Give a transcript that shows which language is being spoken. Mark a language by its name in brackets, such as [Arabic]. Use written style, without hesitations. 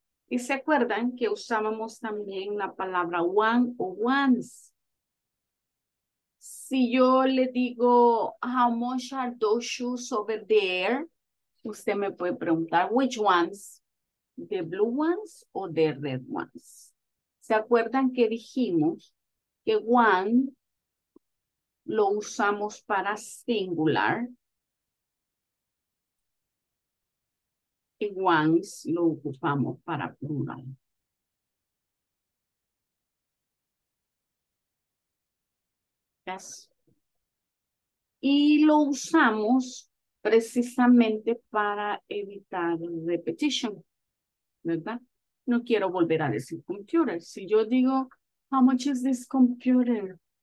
[Spanish] ¿Y se acuerdan que usábamos también la palabra one o ones? Si yo le digo, [English] how much are those shoes over there? [Spanish] Usted me puede preguntar, [English] which ones? The blue ones or the red ones? [Spanish] ¿Se acuerdan que dijimos que one lo usamos para singular? Y ones lo ocupamos para plural. [English] Yes. [Spanish] Y lo usamos precisamente para evitar repetition, ¿verdad? No quiero volver a decir computer. Si yo digo, [English] how much is this computer?